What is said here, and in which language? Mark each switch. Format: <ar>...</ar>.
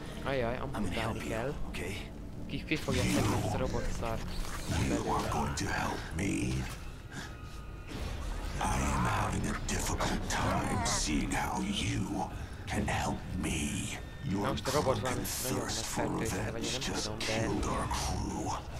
<en>Ajaj, I'm gonna help you, okay?</en> <hu>Ki fogja tenni ezt a robot szart?</hu> <en>You are going to help me. I am having a difficult time seeing how you can help me. Your drunken thirst for revenge just killed our crew.</en>